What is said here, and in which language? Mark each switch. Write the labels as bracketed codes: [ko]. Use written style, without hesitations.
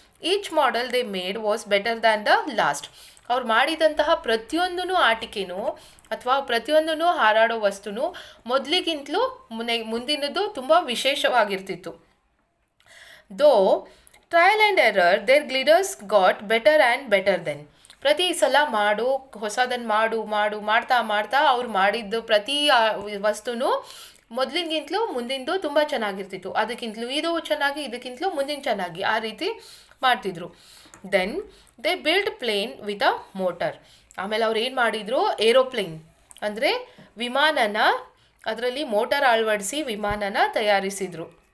[en] Each model they made was better than the last. [kn] ಅವ್ರು ಮಾಡಿದಂತಹ ಪ್ರತಿಯೊಂದೂ ಆಟಿಕೆನೂ ಅಥವಾ ಪ್ರತಿಯೊಂದೂ ಹಾರಾಡೋ ವಸ್ತುನು ಮೊದಲಿಗಿಂತಲೂ ಮುಂದಿನದು ತುಂಬ ವಿಶೇಷವಾಗಿರ್ತಿತ್ತು. [en] Though trial and error their gliders got better and better than. [kn] ಪ್ರತಿ ಸಲ ಮಾಡು, ಹೊಸದನ್ನು ಮಾಡು ಮಾಡು ಮಾಡ್ತಾ ಅವ್ರು ಮಾಡಿದ್ದು ಪ್ರತಿ ವಸ್ತುನೂ ಮೊದಲಿಗಿಂತಲೂ ಮುಂದಿಂದು ತುಂಬ ಚೆನ್ನಾಗಿರ್ತಿತ್ತು. ಅದಕ್ಕಿಂತಲೂ ಇದು ಚೆನ್ನಾಗಿ, ಇದಕ್ಕಿಂತಲೂ ಮುಂದಿನ ಚೆನ್ನಾಗಿ, ಆ ರೀತಿ ಮಾಡ್ತಿದ್ರು. [en] Then they built plane with a motor. [kn] ಆಮೇಲೆ ಅವ್ರು ಏನು ಮಾಡಿದರು, ಏರೋಪ್ಲೇನ್ ಅಂದರೆ ವಿಮಾನನ ಅದರಲ್ಲಿ ಮೋಟರ್ ಅಳವಡಿಸಿ ವಿಮಾನನ ತಯಾರಿಸಿದರು.